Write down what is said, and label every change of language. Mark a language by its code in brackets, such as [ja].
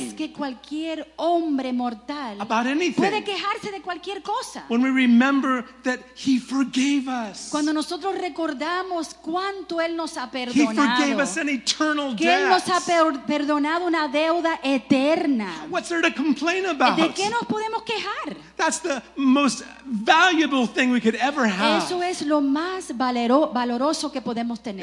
[es] Es que cualquier hombre mortal [en] about anything? [es] Puede quejarse de cualquier cosa. [en] When we remember that he forgave us. [es] Cuando nosotros recordamos cuánto él nos ha perdonado. [en] He forgave us an eternal debt. [es] Que él nos ha perdonado una deuda eterna. [en] What's there to complain about? [es] ¿De qué nos podemos quejar? [en] That's the most valuable thing we could ever have. [es] Eso es lo más valoroso que podemos tener.